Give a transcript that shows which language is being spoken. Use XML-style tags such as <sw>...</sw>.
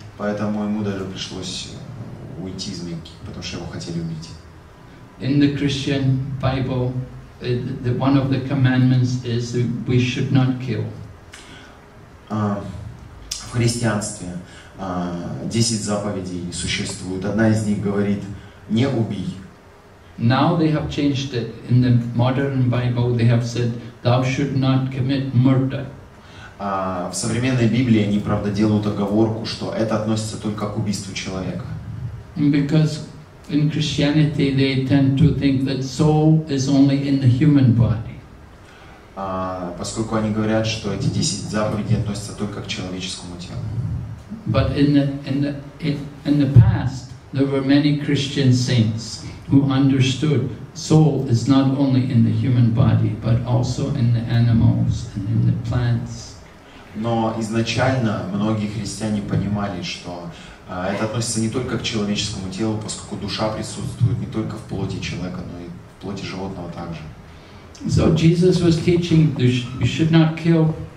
<ru>Поэтому ему даже пришлось уйти из Мекки, потому что его хотели убить.</ru> <en>In the Christian Bible, the one of the commandments is we should not kill.</en> <ru>В христианстве 10 заповедей существуют. Одна из них говорит: не убий.</ru> <en>Now they have changed it. In the modern Bible, they have said thou should not commit murder.</en> <ru>В современной Библии они, правда, делают оговорку, что это относится только к убийству человека.</ru> <en>Because in Christianity they tend to think that soul is only in the human body.</en> <ru>Поскольку они говорят, что эти 10 заповедей относятся только к человеческому телу.</ru> <en>But in the past there were many Christian saints who understood soul is not only in the human body, but also in the animals and in the plants.</en> <ru>Но изначально многие христиане понимали, что это относится не только к человеческому телу, поскольку душа присутствует не только в плоти человека, но и в плоти животного также.</ru> <en>So Jesus was teaching you should not kill.</en>